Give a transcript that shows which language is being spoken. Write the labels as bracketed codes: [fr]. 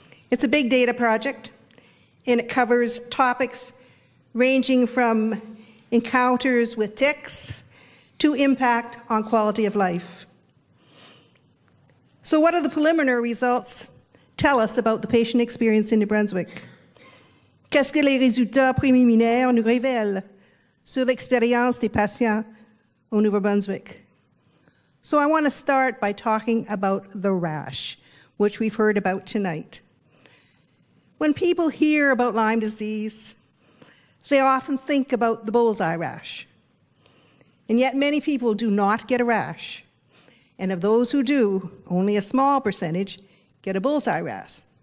[en] It's a big data project, and it covers topics ranging from encounters with ticks to impact on quality of life. So what do the preliminary results tell us about the patient experience in New Brunswick? [fr] Qu'est-ce que les résultats préliminaires nous révèlent sur l'expérience des patients au New Brunswick? [en] So I want to start by talking about the rash, which we've heard about tonight. When people hear about Lyme disease, they often think about the bullseye rash. And yet many people do not get a rash. And of those who do, only a small percentage get a bullseye rash.